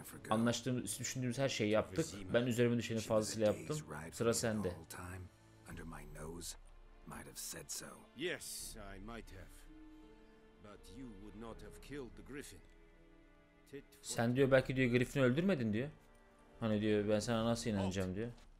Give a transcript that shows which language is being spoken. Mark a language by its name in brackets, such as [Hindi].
[Turkish] Anlaştığımız, düşündüğümüz her şeyi yaptık. Ben üzerime düşeni fazlasıyla yaptım. Sıra sende. [English] Under my nose might have said so. Yes, I might have. But you would not have killed the griffin. [Turkish] Sen diyor belki diyor griffin'i öldürmedin diyor. Hani diyor ben sana nasıl inanacağım diyor.